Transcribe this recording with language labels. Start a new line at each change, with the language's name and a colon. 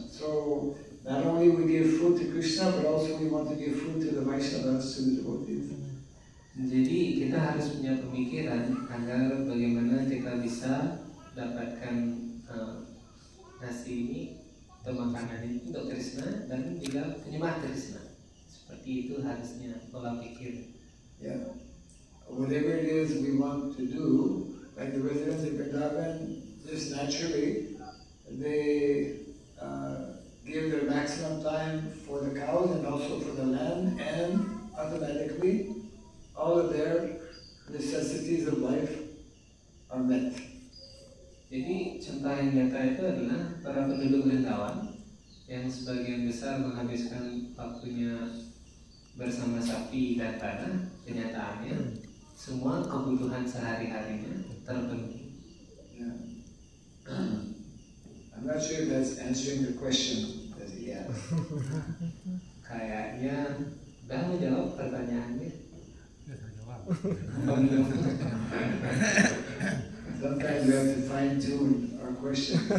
English: So not only we give food to Krishna, but also we want to give food to the Vaishnavas, to the devotees.
Indonesian: Jadi kita harus punya pemikiran agar bagaimana kita bisa dapatkan nasi ini atau makanan ini untuk Krishna dan juga penyembah Krishna. Seperti itu harusnya pola pikir.
English: Yeah, whatever it is we want to do, like the residents of Vrindavan, just naturally they give their maximum time for the cows and also for the land, and automatically all of their necessities of life are met.
Indonesian: Jadi contoh yang nyata itu adalah para penduduk Vrindavan yang sebagian besar menghabiskan waktunya bersama sapi dan tanah. Kenyataannya semua kebutuhan sehari-harinya terpenuhi. Yeah.
English: I'm not sure if that's answering your question. Yes.
Indonesian: Kayaknya udah menjawab pertanyaannya.
English: Sometimes we have to fine tune our question.